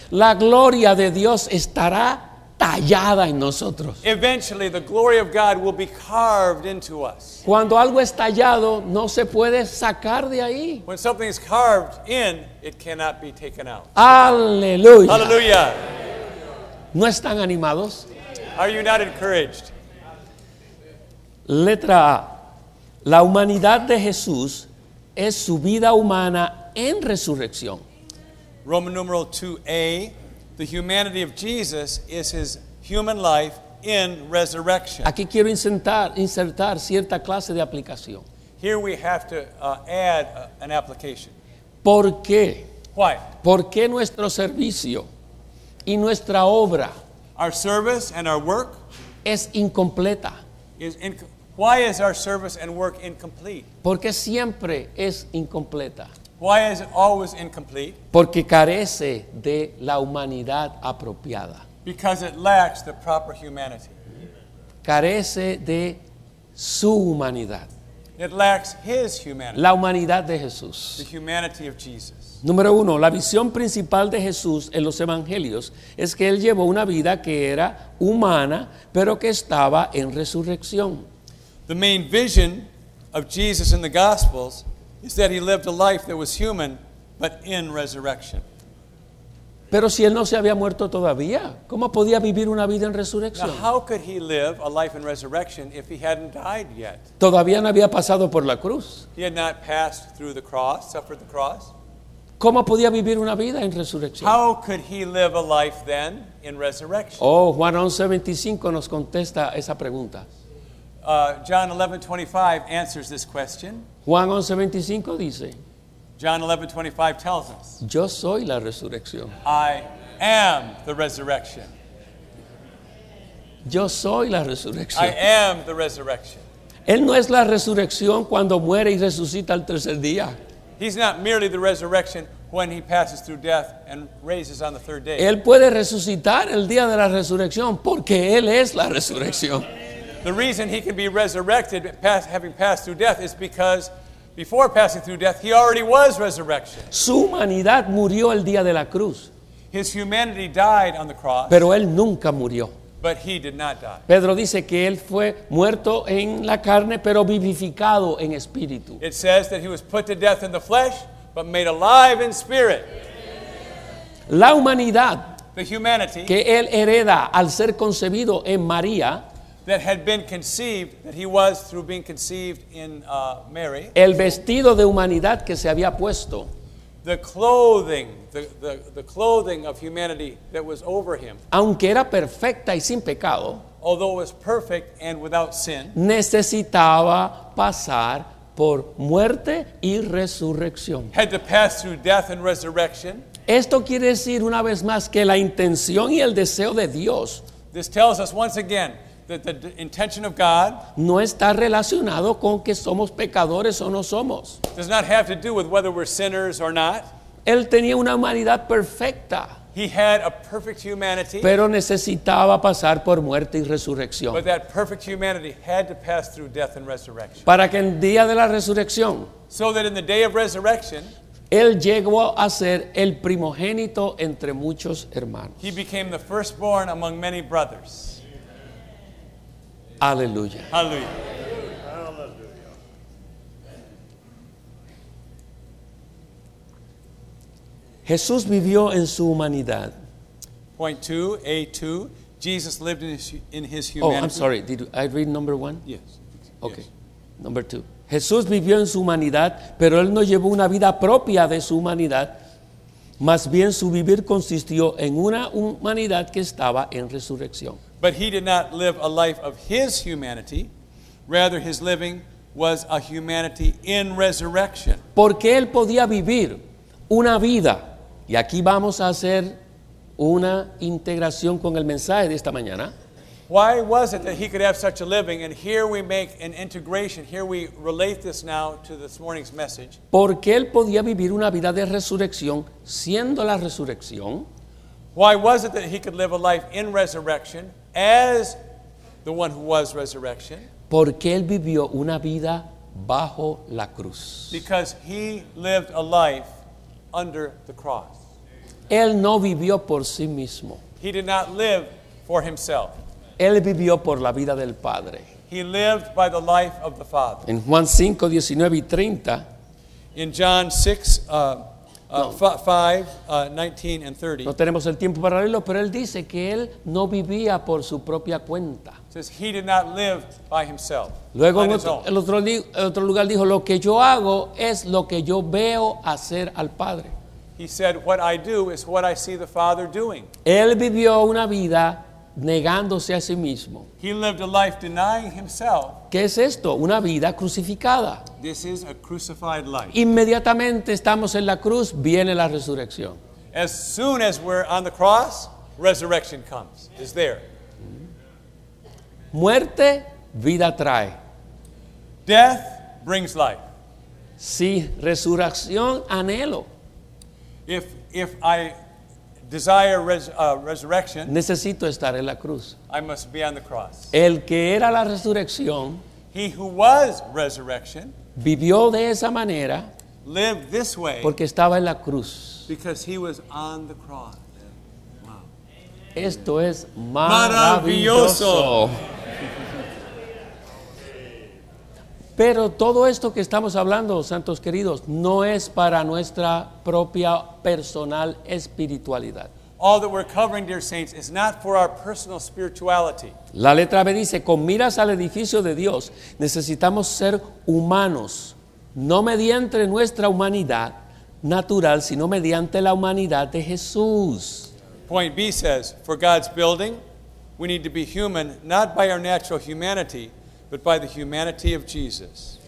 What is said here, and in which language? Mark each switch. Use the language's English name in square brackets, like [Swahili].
[Spanish] La gloria de Dios estará tallada en nosotros. [English] Eventually, the glory of God will be carved into us. [Spanish] Cuando algo es tallado, no se puede sacar de ahí. [English] When something is carved in, it cannot be taken out. [Spanish] Aleluya. Aleluya. ¿No están animados? [English] Are you not encouraged? [Spanish] Letra A. La humanidad de Jesús es su vida humana en resurrección. [English] Roman numeral 2a. The humanity of Jesus is his human life in resurrection. [Spanish] Aquí quiero insertar cierta clase de aplicación. [English] Here we have to add an application. [Spanish] ¿Por qué? [English] Why? [Spanish] ¿Por qué nuestro servicio y nuestra obra, [English] our service and our work, [Spanish] es incompleta? [English] Why is our service and work incomplete? [Spanish] Porque siempre es incompleta. [English] Why is it always incomplete? [Spanish] Porque carece de la humanidad apropiada. [English] Because it lacks the proper humanity. [Spanish] Carece de su humanidad. [English] It lacks his humanity. [Spanish] La humanidad de Jesús. [English] The humanity of Jesus. [Spanish] Número uno, la visión principal de Jesús en los evangelios es que él llevó una vida que era humana, pero que estaba en resurrección. [English] The main vision of Jesus in the Gospels is that he lived a life that was human, but in resurrection. [Spanish] Pero si él no se había muerto todavía, ¿cómo podía vivir una vida en resurrección? [English] Now, how could he live a life in resurrection if he hadn't died yet? [Spanish] Todavía no había pasado por la cruz. [English] He had not passed through the cross, suffered the cross. [Spanish] ¿Cómo podía vivir una vida en resurrección? [English] How could he live a life then in resurrection? [Spanish] Oh, Juan 11:25 nos contesta esa pregunta. [English] John 11:25 answers this question. [Spanish] Juan 11:25 dice. [English] John 11:25 tells us. [Spanish] Yo soy la resurrección. [English] I am the resurrection. [Spanish] Yo soy la resurrección. [English] I am the resurrection. [Spanish] Él no es la resurrección cuando muere y resucita al tercer día. [English] He's not merely the resurrection when he passes through death and raises on the third day. [Spanish] Él puede resucitar el día de la resurrección porque él es la resurrección. [English] The reason he can be resurrected having passed through death is because before passing through death he already was resurrection. [Spanish] Su humanidad murió el día de la cruz. [English] His humanity died on the cross. [Spanish] Pero él nunca murió. [English] But he did not die. [Spanish] Pedro dice que él fue muerto en la carne, pero vivificado en espíritu. [English] It says that he was put to death in the flesh, but made alive in spirit. [Spanish] La humanidad, [English] the humanity, [Spanish] que él hereda al ser concebido en María, [English] that had been conceived, that he was through being conceived in Mary. [Spanish] El vestido de humanidad que se había puesto. [English] The clothing of humanity that was over him. [Spanish] Aunque era perfecta y sin pecado. [English] Although it was perfect and without sin. [Spanish] Necesitaba pasar por muerte y resurrección. [English] Had to pass through death and resurrection. [Spanish] Esto quiere decir una vez más que la intención y el deseo de Dios. [English] This tells us once again that the intention of God [Spanish] no está relacionado con que somos pecadores o no somos. [English] Does not have to do with whether we're sinners or not. [Spanish] Él tenía una humanidad perfecta. [English] He had a perfect humanity. [Spanish] Pero necesitaba pasar por muerte y resurrección. [English] But that perfect humanity had to pass through death and resurrection. [Spanish] Para que en día de la resurrección, [English] so that in the day of resurrection, [Spanish] él llegó a ser el primogénito entre muchos hermanos. [English] He became the firstborn among many brothers. [Spanish] Aleluya. Aleluya. Jesús vivió en su humanidad. [English] Point two, A2. Jesus lived in his humanity. Oh, I'm sorry. Did I read number one? Yes. Okay. Yes. Number two. [Spanish] Jesús vivió en su humanidad, pero él no llevó una vida propia de su humanidad. Más bien, su vivir consistió en una humanidad que estaba en resurrección. [English] But he did not live a life of his humanity. Rather, his living was a humanity in resurrection. [Spanish] Porque él podía vivir una vida, y aquí vamos a hacer una integración con el mensaje de esta mañana. [English] Why was it that he could have such a living? And here we make an integration. Here we relate this now to this morning's message. [Spanish] Porque él podía vivir una vida de resurrección siendo la resurrección. [English] Why was it that he could live a life in resurrection as the one who was resurrection? [Spanish] Porque él vivió una vida bajo la cruz. [English] Because he lived a life under the cross. [Spanish] Él no vivió por sí mismo. [English] He did not live for himself. [Spanish] Él vivió por la vida del Padre. [English] He lived by the life of the Father. [Spanish] En Juan 5, 19 y 30. [English] In John 6, 19 and 30. [Spanish] No tenemos el tiempo para leerlo, pero él dice que él no vivía por su propia cuenta. [English] Says he did not live by himself. [Spanish] Luego el otro lugar dijo, lo que yo hago es lo que yo veo hacer al Padre. [English] He said, what I do is what I see the Father doing. [Spanish] Él vivió una vida negándose a sí mismo. [English] He lived a life denying himself. [Spanish] ¿Qué es esto? Una vida crucificada. [English] This is a crucified life. [Spanish] Inmediatamente estamos en la cruz, viene la resurrección. [English] As soon as we're on the cross, resurrection comes. It's there. [Spanish] Muerte, vida trae. [English] Death brings life. [Spanish] Sí, resurrección, anhelo. [English] If I desire resurrection. [Spanish] Necesito estar en la cruz. [English] I must be on the cross. [Spanish] El que era la resurrección. [English] He who was resurrection. [Spanish] Vivió de esa manera. [English] lived this way. [Spanish] Porque estaba en la cruz. [English] Because he was on the cross. [Spanish] Wow. Esto es maravilloso. Pero todo esto que estamos hablando, santos queridos, no es para nuestra propia personal espiritualidad. [English] All that we're covering, dear saints, is not for our personal spirituality. [Spanish] La letra B dice, con miras al edificio de Dios, necesitamos ser humanos, no mediante nuestra humanidad natural, sino mediante la humanidad de Jesús. [English] Point B says, for God's building, we need to be human, not by our natural humanity, but by the humanity of Jesus.